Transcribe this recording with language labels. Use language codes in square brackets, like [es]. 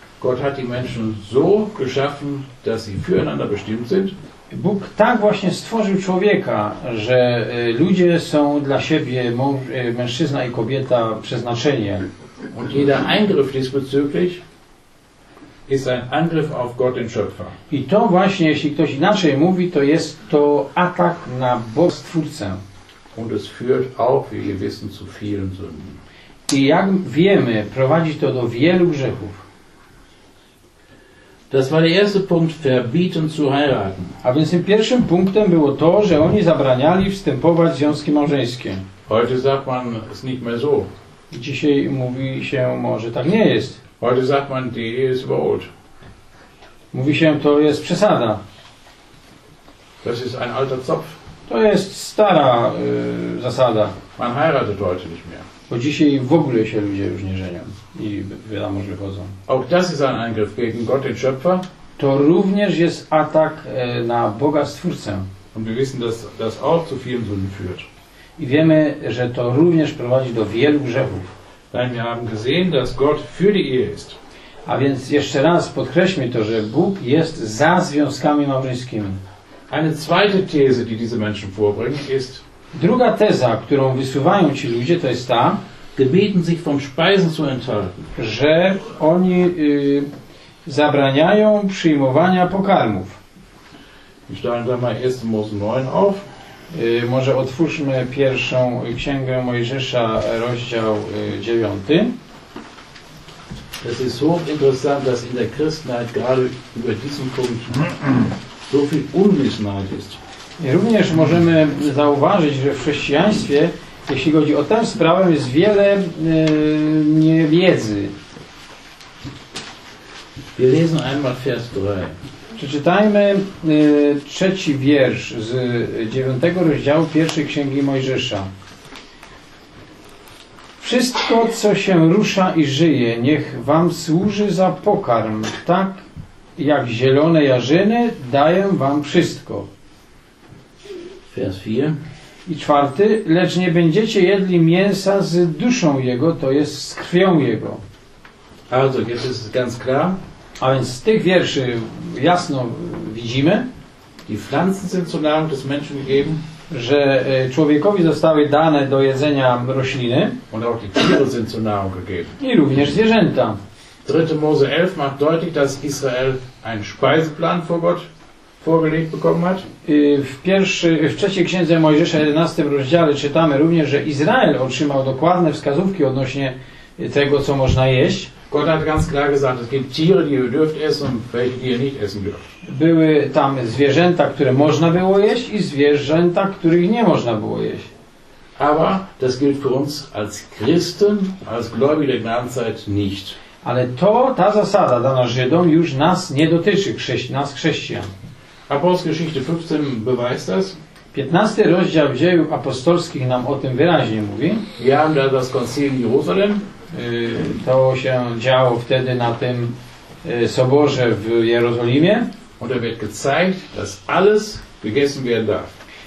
[de] Gott hat die Menschen so geschaffen, dass sie füreinander bestimmt sind. [pl] Bóg tak właśnie stworzył człowieka, że ludzie są dla siebie, mężczyzna i kobieta, przeznaczeniem. [de] Und jeder Eingriff diesbezüglich ist ein Angriff auf Gott, den Schöpfer. [pl] I to właśnie, jeśli ktoś inaczej mówi, to jest to atak na Boga, Stwórcę. [de] Und es führt auch, wie wir wissen, zu vielen Sünden. [pl] I jak wiemy, prowadzi to do wielu grzechów. [de] Das war der erste Punkt, verbieten zu heiraten. [pl] A więc tym pierwszym punktem było to, że oni zabraniali wstępować w związki małżeńskie. [de] Heute sagt man es nicht mehr so. [pl] I dzisiaj mówi się, może tak nie jest. [de] Heute sagt man, die Ehe ist überholt. [pl] Mówi się, to jest przesada. [de] Das ist ein alter Zopf. [pl] To jest stara zasada. [de] Man heiratet heute nicht mehr. [pl] Bo dzisiaj w ogóle się ludzie już nie żenią i wiadomo, że wychodzą. [de] Auch das ist ein Angriff gegen Gott, den Schöpfer. [pl] To również jest atak na Boga, Stwórcę. [de] Und wir wissen, dass das auch zu vielen Sünden führt. [pl] I wiemy, że to również prowadzi do wielu grzechów. [de] Denn wir haben gesehen, dass Gott für die Ehe ist. [pl] A więc jeszcze raz podkreślmy to, że Bóg jest za związkami małżeńskimi. [de] Eine zweite These, die diese Menschen vorbringen, ist: [pl] druga teza, którą wysuwają ci ludzie, to jest ta, [de] gebieten sich vom Speisen zu enthalten, [pl] że oni zabraniają przyjmowania pokarmów. [de] Ich stelle da mal 1. Mose 9 auf. [pl] Może otwórzmy pierwszą księgę Mojżesza, rozdział 9. [de] Es ist hochinteressant, dass in der Christenheit gerade über diesen Punkt so viel Unwissenheit ist. [pl] I również możemy zauważyć, że w chrześcijaństwie, jeśli chodzi o tę sprawę, jest wiele niewiedzy. [de] Wir lesen einmal Vers 3. [pl] Przeczytajmy trzeci wiersz z 9 rozdziału pierwszej księgi Mojżesza. Wszystko, co się rusza i żyje, niech wam służy za pokarm, tak jak zielone jarzyny dają wam wszystko. [de] Vers 4. [pl] I czwarty, lecz nie będziecie jedli mięsa z duszą jego, to jest z krwią jego. [de] Also, jest es ganz klar. [pl] A więc z tych wierszy jasno widzimy, [de] die Pflanzen sind zur Nahrung des Menschen gegeben, [pl] że człowiekowi zostały dane do jedzenia rośliny. [de] Und auch die Tiere sind zur Nahrung gegeben. [pl] I również zwierzęta. [de] 3. Mose 11 macht deutlich, dass Israel einen Speiseplan vor Gott vorgelegt bekommen hat. [pl] W trzeciej księdze Mojżesza, 11 rozdziale, czytamy również, że Izrael otrzymał dokładne wskazówki odnośnie tego, co można jeść. [de] Gott hat ganz klar gesagt, es gibt Tiere, die ihr dürft essen, welche ihr nicht essen dürft. [pl] Były tam zwierzęta, które można było jeść i zwierzęta, których nie można było jeść. [de] Aber das gilt für uns als Christen, als Gläubige der Gnadenzeit nicht. [pl] Ale to, ta zasada dana Żydom już nas nie dotyczy, nas chrześcijan. [de] Apostelgeschichte 15 beweist das. [pl] 15. rozdział Dziejów Apostolskich nam o tym wyraźnie mówi. [de] Ja haben da das Konzil in Jerusalem. [pl] To się działo wtedy na tym soborze w Jerozolimie. [de] Und da wird gezeigt, dass alles gegessen werden darf.